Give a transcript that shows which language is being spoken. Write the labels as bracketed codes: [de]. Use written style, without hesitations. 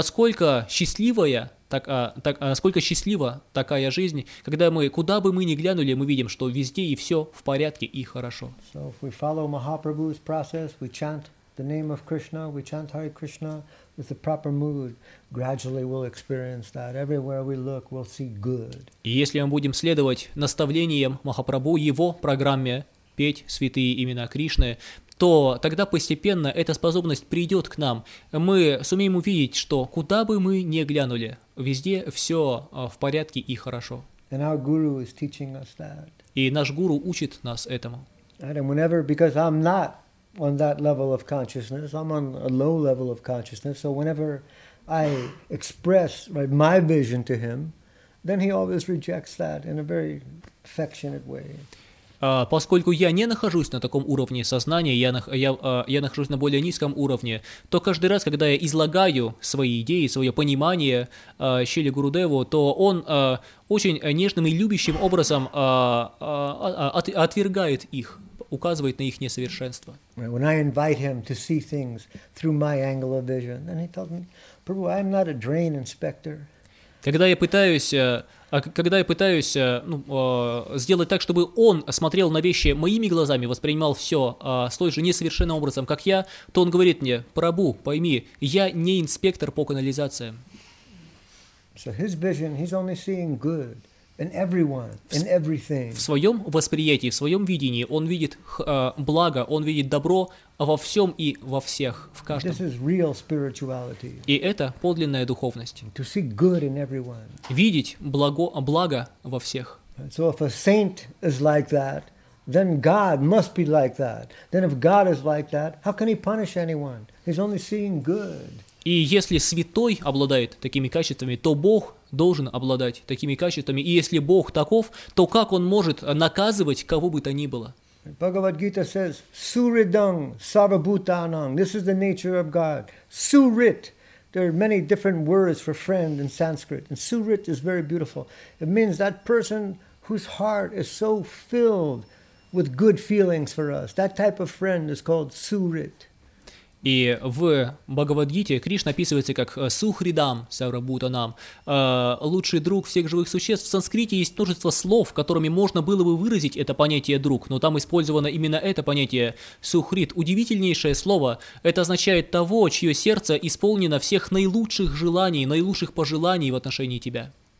[ru] Насколько счастлива такая жизнь, когда мы, куда бы мы ни глянули, мы видим, что везде и все в порядке и хорошо. [en] So if we follow Mahaprabhu's process, we chant the name of Krishna, we chant Hare Krishna with the proper mood, gradually we'll experience that. Everywhere we look, we'll see good. [ru] И если мы будем следовать наставлениям Махапрабху, его программе петь святые имена Кришны, то тогда постепенно эта способность придет к нам. Мы сумеем увидеть, что куда бы мы ни глянули, везде все в порядке и хорошо. [en] And our guru is teaching us that. [ru] И наш гуру учит нас этому. [en] And whenever, because I'm not on that level of consciousness, I'm on a low level of consciousness. So whenever I express my vision to him, then he always rejects that in a very affectionate way. [ru] Поскольку я не нахожусь на таком уровне сознания, я нахожусь на более низком уровне, то каждый раз, когда я излагаю свои идеи, свое понимание Шили Гурудеву, то он очень нежным и любящим образом отвергает их, указывает на их несовершенство. [en] When I invite him to see things through my angle of vision, then he tells me, Prabhu, I'm not a drain inspector. [ru] Когда я пытаюсь сделать так, чтобы он смотрел на вещи моими глазами, воспринимал все с той же несовершенным образом, как я, то он говорит мне, Прабу, пойми, я не инспектор по канализациям. [en] So his vision, he's only seeing good. In everyone, in everything. [ru] В своем восприятии, в своем видении он видит благо, он видит добро во всем и во всех, в каждом. [en] This is real spirituality. [ru] И это подлинная духовность. [en] To see good in everyone. [ru] Видеть благо во всех. [en] So if a saint is like that, then God must be like that. Then if God is like that, how can he punish anyone? He's only seeing good. [ru] И если святой обладает такими качествами, то Бог должен обладать такими качествами. И если Бог таков, то как он может наказывать кого бы то ни было? [en] Бхагавад-гита says, [sa] Suridang sarvabhutanang. [en] This is the nature of God. Surit. There are many different words for friend in Sanskrit. And Suhrit is very beautiful. It means that person whose heart is so filled with good feelings for us. That type of friend is called Suhrit. [ru] И в Бхагавадгите Кришна описывается как [sa] Сухридам, Саврабутанам, [ru] лучший друг всех живых существ. В санскрите есть множество слов, которыми можно было бы выразить это понятие «друг», но там использовано именно это понятие «сухрит». Удивительнейшее слово – это означает того, чье сердце исполнено всех наилучших желаний, наилучших пожеланий в отношении тебя.